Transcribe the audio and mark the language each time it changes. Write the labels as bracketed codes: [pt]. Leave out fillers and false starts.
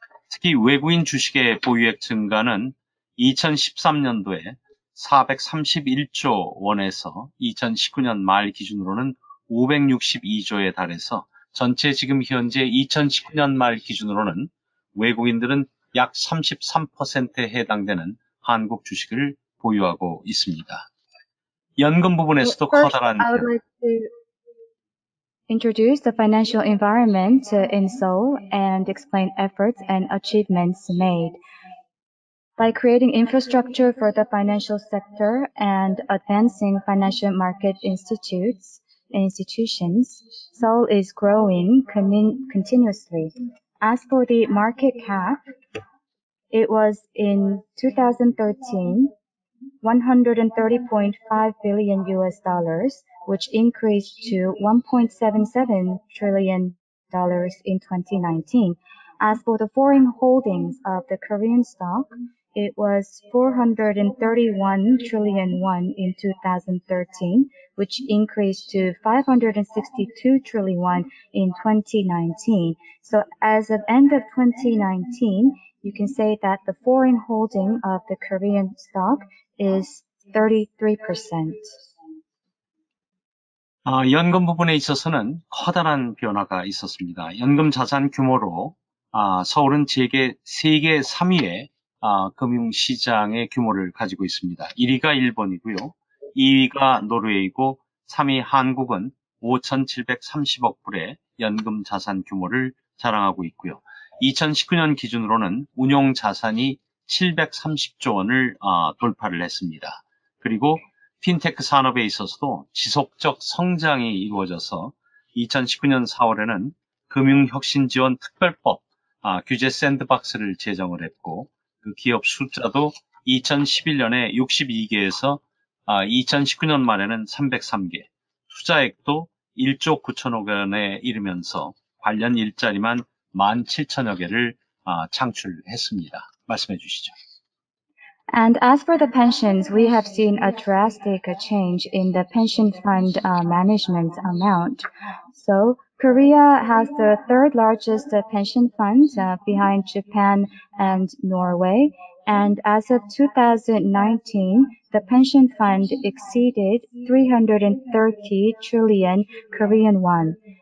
[ko] 특히 외국인 주식의 보유액 증가는 2013년도에 431조 원에서 2019년 말 기준으로는 562조에 달해서 전체 지금 현재 2019년 말 기준으로는 외국인들은 약 33%에 해당되는 한국 주식을 보유하고 있습니다. 연금 부분에서도 커다란 [en] introduce the financial environment in Seoul and explain efforts and achievements made. By creating infrastructure for the financial sector and advancing financial market institutions, Seoul is growing continuously. As for the market cap, it was in 2013, $130.5 billion, which increased to $1.77 trillion in 2019. As for the foreign holdings of the Korean stock, it was 431 trillion won in 2013, which increased to 562 trillion won in 2019. So as of end of 2019, you can say that the foreign holding of the Korean stock is 33%. [ko] 연금 부분에 있어서는 커다란 변화가 있었습니다. 연금 자산 규모로 서울은 세계 3위의 금융시장의 규모를 가지고 있습니다. 1위가 일본이고요. 2위가 노르웨이고 3위 한국은 5,730억 불의 연금 자산 규모를 자랑하고 있고요. 2019년 기준으로는 운용 자산이 730조 원을 돌파를 했습니다. 그리고 핀테크 산업에 있어서도 지속적 성장이 이루어져서 2019년 4월에는 금융혁신지원특별법 규제 샌드박스를 제정을 했고 그 기업 숫자도 2011년에 62개에서 2019년 말에는 303개, 투자액도 1조 9천억 원에 이르면서 관련 일자리만 17,000여 개를 창출했습니다. 말씀해 주시죠. [en] And as for the pensions, we have seen a drastic change in the pension fund management amount. So Korea has the third largest pension fund behind Japan and Norway. And as of 2019, the pension fund exceeded 330 trillion Korean won.